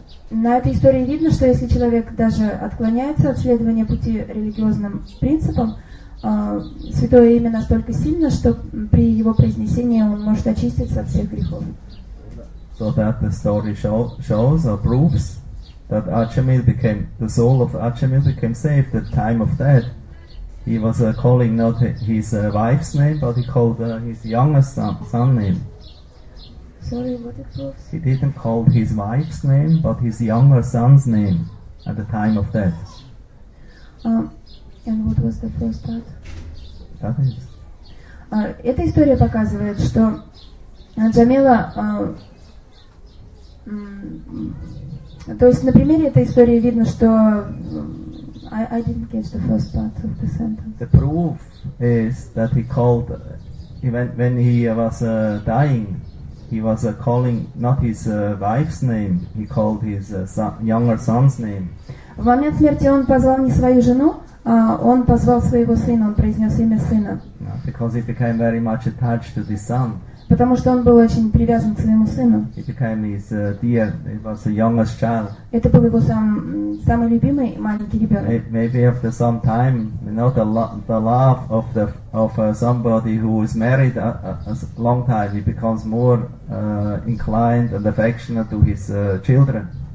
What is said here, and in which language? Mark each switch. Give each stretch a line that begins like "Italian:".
Russian: На этой истории видно, что если человек даже отклоняется от следования пути религиозным принципам, святое имя настолько сильно, что при его произнесении он может очиститься от всех грехов.
English: So that the story shows or proves that the soul of Achamil became saved at time of death. He was calling not his wife's name, but he called his youngest son name. Sorry, what it proves? He didn't call his wife's name, but his younger son's name at the time of death. And what was the first part? That is.
Russian: Эта история показывает, что Джамила, то есть на примере этой истории видно, что
English: I didn't catch the first part of the sentence. The proof is that he called when he was dying, he was calling not his wife's name, he called his younger son's name.
Russian: В момент смерти он позвал не свою жену, а он позвал своего сына, он произнес имя сына.
English: Because he became very much attached to his son.
Russian: Потому что он был очень привязан к своему сыну.
English: He became his dear, he was the youngest child.
Russian: Это был его самый любимый маленький ребенок.
English: Maybe after some time, you know, the love of the of somebody who is married a long time, he becomes more inclined and affectionate to his children.